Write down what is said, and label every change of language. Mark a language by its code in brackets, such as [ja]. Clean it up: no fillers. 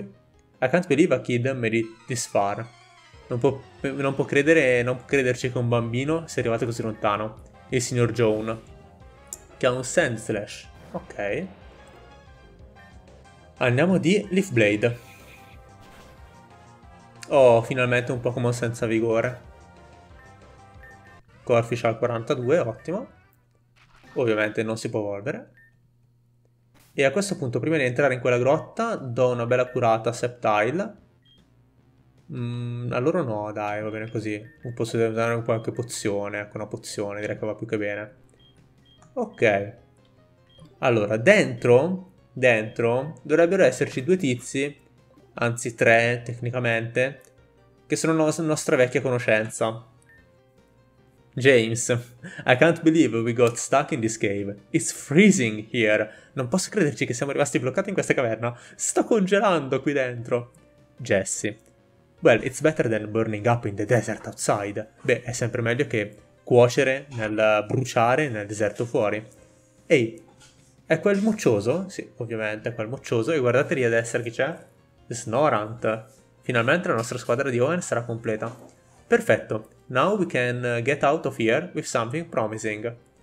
[en] I can't believe a kid made it this far. [it] Non può crederci che un bambino sia arrivato così lontano. Il signor Joan. Che ha un Sand Slash. Ok. Andiamo di Leaf Blade. Oh, finalmente un Pokémon senza vigore. Corphish al 42, ottimo. Ovviamente non si può evolvere. E a questo punto, prima di entrare in quella grotta, do una bella curata a Sceptile. A loro no, dai, va bene così. Posso usare qualche pozione, ecco, una pozione, direi che va più che bene. Ok. Allora, dentro dovrebbero esserci due tizi, anzi tre tecnicamente, che sono no nostra vecchia conoscenza. [en] James, I can't believe we got stuck in this cave. It's freezing here. [it] Non posso crederci che siamo rimasti bloccati in questa caverna. Sto congelando qui dentro. [en] Jesse, well, it's better than burning up in the desert outside. [it] Beh, è sempre meglio che cuocere nel bruciare nel deserto fuori. Ehi, è quel moccioso? Sì, ovviamente è quel moccioso. E guardate lì a destra chi c'è? Snorant. Finalmente la nostra squadra di Owen sarà completa. Perfetto. [en] Now we can get out of here with something promising.